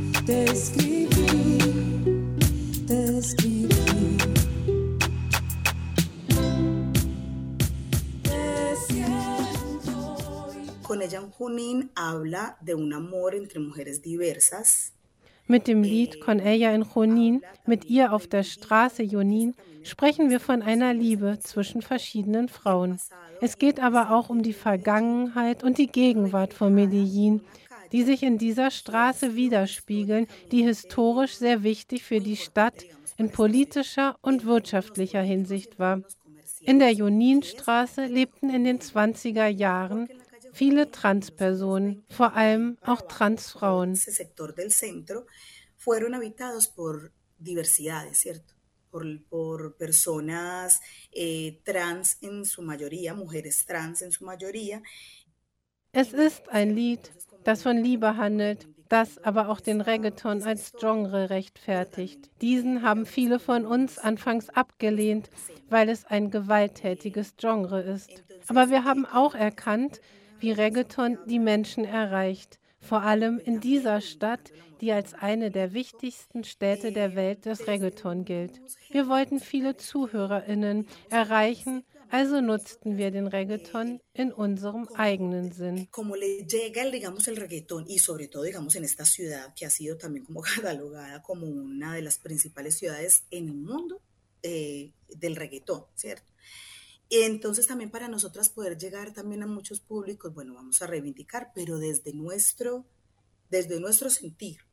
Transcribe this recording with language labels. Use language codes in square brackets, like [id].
[es] Te escribí, te escribí. Con ella, Junín habla de un amor entre mujeres diversas. [de] Mit dem Lied Con ella en Junín, mit ihr auf der Straße Junín, sprechen wir von einer Liebe zwischen verschiedenen Frauen. Es geht aber auch um die Vergangenheit und die Gegenwart von Medellín, die sich in dieser Straße widerspiegeln, die historisch sehr wichtig für die Stadt in politischer und wirtschaftlicher Hinsicht war. In der Juninstraße lebten in den 20er Jahren viele Transpersonen, vor allem auch Transfrauen. Ese sector del centro fueron habitados por diversidades, ¿cierto? Por personas trans en su mayoría, mujeres trans en su mayoría. Es ist ein Lied, das von Liebe handelt, das aber auch den Reggaeton als Genre rechtfertigt. Diesen haben viele von uns anfangs abgelehnt, weil es ein gewalttätiges Genre ist. Aber wir haben auch erkannt, wie Reggaeton die Menschen erreicht, vor allem in dieser Stadt, die als eine der wichtigsten Städte der Welt des Reggaeton gilt. Wir wollten viele ZuhörerInnen erreichen, also nutzten wir den Reggaeton in unserem eigenen Sinn. [es] Como le llega, digamos, el reggaeton y sobre todo, digamos, en esta ciudad que ha sido también como catalogada como una de las principales ciudades en el mundo del reggaeton, ¿cierto? Y entonces también para nosotras poder llegar también a muchos públicos, bueno, vamos a reivindicar, pero desde nuestro sentir.